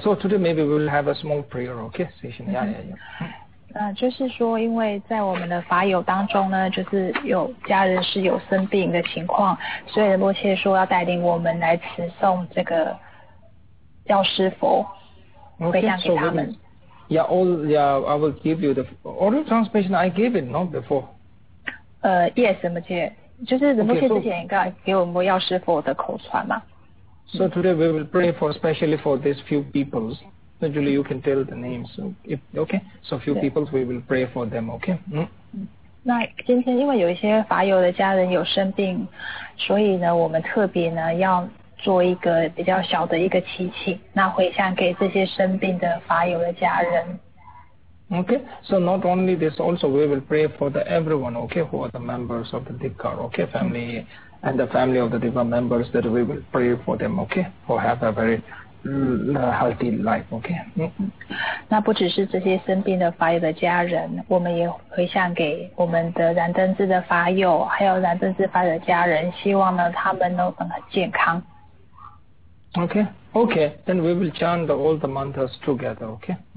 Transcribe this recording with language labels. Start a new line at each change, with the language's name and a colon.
English: So today maybe we will have a small prayer, okay? Session.
Chinese: 就是说因为在我们的法友当中呢，就是有家人是有生病的情况，所以摩羯说要带领我们来持诵这个药师佛回向给他们。
English: I will give you the oral translation. I gave it not before.
Chinese: Yes, 摩羯，就是摩羯之前应该给我们药师佛的口传嘛。
English: So today we will pray for especially for these few peoples. Usually you can tell the names, so if, okay? So few people, we will pray for them, okay?
Chinese: 那今天因为有一些法友的家人有生病，所以呢，我们特别呢要做一个比较小的一个祈请，那回向给这些生病的法友的家人。
English: Okay, so not only this, also we will pray for the everyone, okay, who are the members of the Dikkar, okay, family, and the family of the Dikkar members, that we will pray for them, okay, who have a very... healthy life, okay.
Chinese: 那不只是这些生病的法友的家人，我们也回向给我们的燃灯智的法友，还有燃灯智法友的家人，希望呢他们都很健康。
English: Okay, okay, then we will chant all the mantras together, okay?